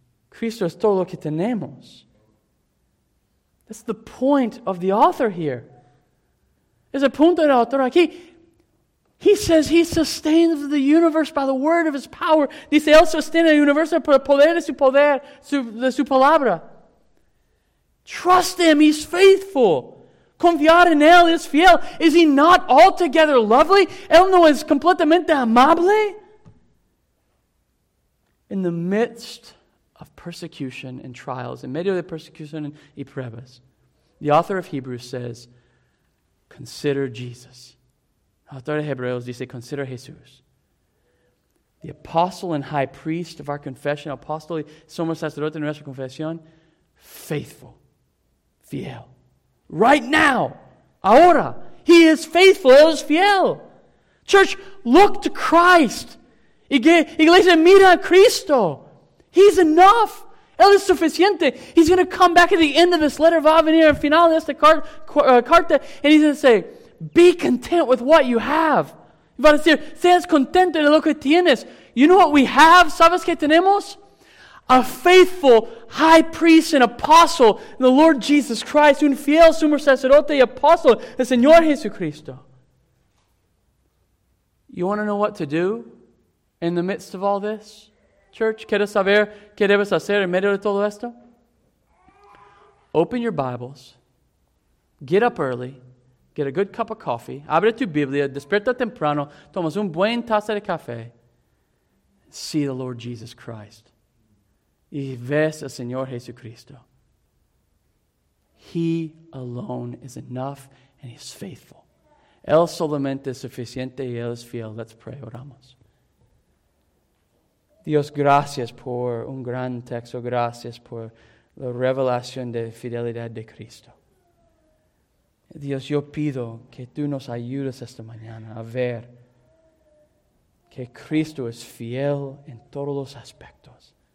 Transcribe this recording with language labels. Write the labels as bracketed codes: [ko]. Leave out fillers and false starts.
[es] Cristo es todo lo que tenemos. [en] That's the point of the author here. [es] Es el punto del autor aquí. [en] He says he sustains the universe by the word of his power. [es] Dice, él sostiene el universo por el poder de su poder, de su palabra. [en] Trust him, he's faithful. [es] Confiar en él es fiel. [en] Is he not altogether lovely? [es] Él no es completamente amable? [en] In the midst of persecution and trials, [es] en medio de persecución y pruebas, [en] the author of Hebrews says, consider Jesus. [es] El autor de Hebreos dice, consider Jesús. [en] The apostle and high priest of our confession, [es] apostle y sumo sacerdote de nuestra confesión, [en] faithful. [es] Fiel. [en] Right now. [es] Ahora. [en] He is faithful. [es] Él es fiel. [en] Church, look to Christ. [es] Iglesia, mira a Cristo. [en] He's enough. [es] Él es suficiente. [en] He's going to come back at the end of this letter, [es] va a venir al final de esta carta, [en] and he's going to say, be content with what you have. [es] Va a decir, seas contento de lo que tienes. [en] You know what we have? [es] ¿Sabes qué tenemos? [en] A faithful high priest and apostle, the Lord Jesus Christ, [es] un fiel sumo sacerdote y apóstol, el Señor Jesucristo. [en] You want to know what to do in the midst of all this, church? [es] ¿Quieres saber qué debes hacer en medio de todo esto? [en] Open your Bibles. Get up early. Get a good cup of coffee. [es] Abre tu Biblia. Despierta temprano. Tomas un buen taza de café. [en] See the Lord Jesus Christ. [es] Y ves al Señor Jesucristo. [en] He alone is enough and he's faithful. [es] Él solamente es suficiente y él es fiel. [en] Let's pray. [es] Oramos. Dios, gracias por un gran texto. Gracias por la revelación de fidelidad de Cristo. Dios, yo pido que tú nos ayudes esta mañana a ver que Cristo es fiel en todos los aspectos.